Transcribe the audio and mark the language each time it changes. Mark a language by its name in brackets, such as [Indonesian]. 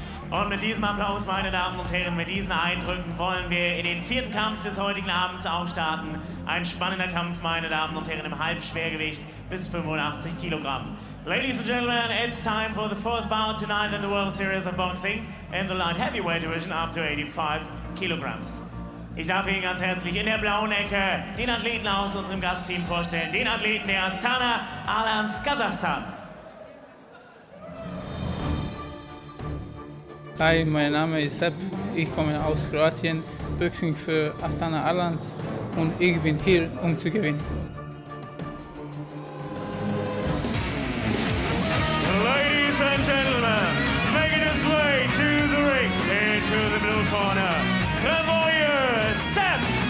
[German] Und mit diesem Applaus, meine Damen und Herren, mit diesen Eindrücken wollen wir in den vierten Kampf des heutigen Abends aufstarten. Ein spannender Kampf, meine Damen und Herren, im Halbschwergewicht bis 85 Kilogramm. [English] Ladies and gentlemen, it's time for the fourth bout tonight in the World Series of Boxing in the light heavyweight division up to 85 kilograms. [German] Ich darf Ihnen ganz herzlich in der blauen Ecke den Athleten aus unserem Gastteam vorstellen, den Athleten der Astana, Alans, Kasachstan. Hi, mein Name ist Sepp, ich komme aus Kroatien, Boxing für Astana Alans und ich bin hier, um zu gewinnen. [English] Ladies and gentlemen, making his way to the ring, into the middle corner, the warrior, Sepp!